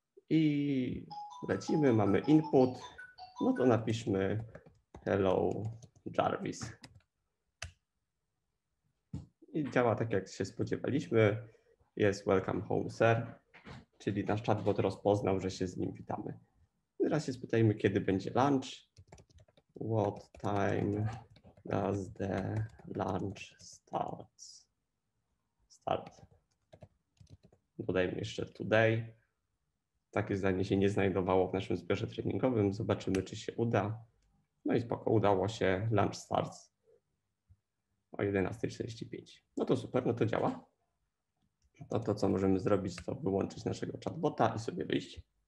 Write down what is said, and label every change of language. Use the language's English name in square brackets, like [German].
[Polish] I lecimy, mamy input. No to napiszmy Hello Jarvis. I działa tak, jak się spodziewaliśmy. Jest [English] Welcome Home, sir. [Polish] Czyli nasz chatbot rozpoznał, że się z nim witamy. Teraz się spytajmy, kiedy będzie lunch. [English] What time does the lunch start? [Polish] Dodajmy jeszcze today. Takie zdanie się nie znajdowało w naszym zbiorze treningowym. Zobaczymy, czy się uda. No i spoko, udało się. [English] Lunch starts o 11:45. [Polish] No to super, no to działa. To, co możemy zrobić, to wyłączyć naszego chatbota i sobie wyjść.